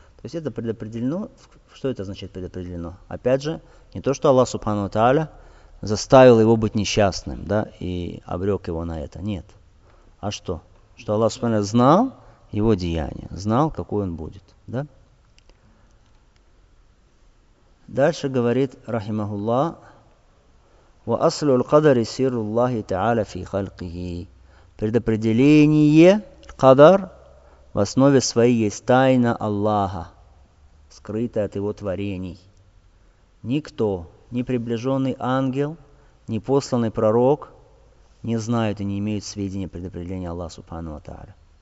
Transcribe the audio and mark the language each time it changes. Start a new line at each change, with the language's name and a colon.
Russian: То есть это предопределено. Что это значит предопределено? Опять же, не то, что Аллах Субхану ва Тааля заставил его быть несчастным, да, и обрек его на это. Нет. А что? Что Аллах Субхану ва Тааля знал его деяния, знал, какой он будет. Да? Дальше говорит рахимахулла:
Arabic: وأصل القدر سير الله تعالى في خلقه.
Russian: Предопределение, кадар, в основе своей есть тайна Аллаха, скрытая от его творений. Никто, ни приближенный ангел, ни посланный пророк, не знают и не имеют сведения предопределения Аллаха Субхану ва Тааля.